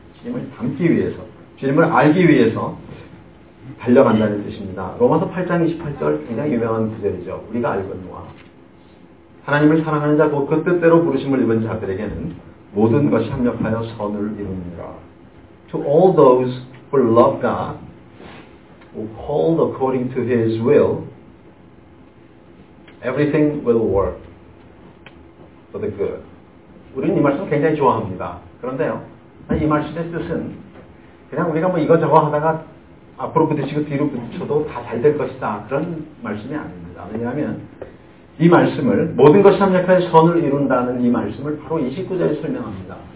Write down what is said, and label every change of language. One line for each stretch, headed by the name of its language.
Korean: 주님을 닮기 위해서, 주님을 알기 위해서 달려간다는 뜻입니다. 로마서 8장 28절 굉장히 유명한 구절이죠. 우리가 알거니와 하나님을 사랑하는 자 곧 그 뜻대로 부르심을 입은 자들에게는 모든 것이 합력하여 선을 이루느니라.
English: To all those who love God, who called according to His will, everything will work for the good.
Korean: 우리는 이 말씀 굉장히 좋아합니다. 그런데요. 이 말씀의 뜻은 그냥 우리가 뭐 이거저거 하다가 앞으로 부딪히고 뒤로 부딪혀도 다 잘 될 것이다. 그런 말씀이 아닙니다. 왜냐하면 이 말씀을 모든 것이 합력하여 선을 이룬다는 이 말씀을 바로 29절에 설명합니다.